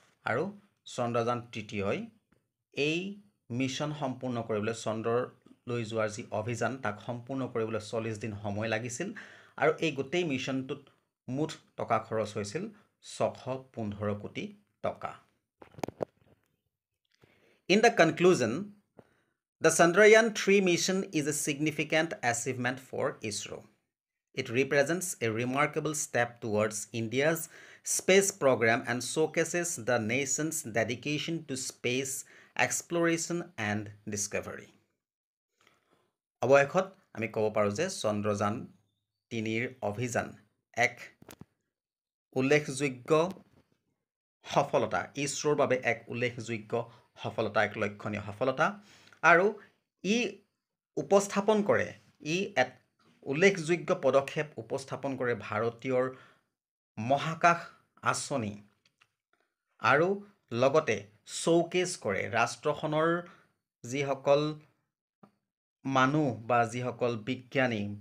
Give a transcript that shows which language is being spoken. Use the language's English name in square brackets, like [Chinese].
[Assamese] আৰু চন্দ্ৰযান তৃতীয়ই এই মিছন সম্পূৰ্ণ কৰিবলৈ, চন্দ্ৰলৈ যোৱাৰ যি অভিযান তাক সম্পূৰ্ণ কৰিবলৈ 40 দিন সময় লাগিছিল। আৰু এই গোটেই মিছনটোত মুঠ টকা খৰচ হৈছিল [English] 615 crore rupees। In the conclusion, the Chandrayaan three mission is a significant achievement for ISRO'. It represents a remarkable step towards India's space program and showcases the nation's dedication to space exploration and discovery. [Assamese] অবশেষত আমি ক'ব পাৰোঁ যে চন্দ্ৰযান তিনিৰ অভিযান এক উল্লেখযোগ্য সফলতা, ইছৰোৰ বাবে এক উল্লেখযোগ্য সফলতা, এক লক্ষণীয় সফলতা। আৰু ই উপস্থাপন কৰে, ই এক উল্লেখযোগ্য পদক্ষেপ উপস্থাপন কৰে ভাৰতীয়ৰ মহাকাশ আঁচনি, আৰু লগতে শ্ব'কেছ কৰে ৰাষ্ট্ৰখনৰ যিসকল মানুহ বা যিসকল বিজ্ঞানী